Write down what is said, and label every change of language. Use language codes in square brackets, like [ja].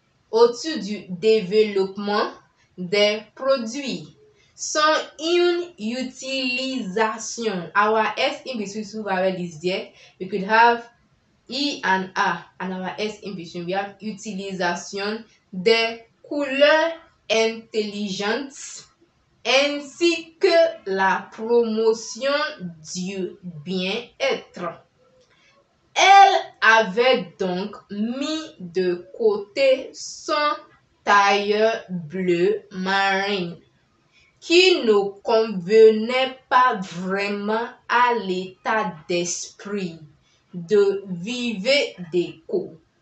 [fr] Autour du développement des produits sont une utilisation. [en] Our S in between two vowels is there. We could have E and A and our S in between. We have [fr] utilisation des couleurs intelligentes ainsi que la promotion du bien-être. Elle avait donc mis de côté son tailleur bleu marine qui ne convenait pas vraiment à l'état d'esprit de Vivre Déco.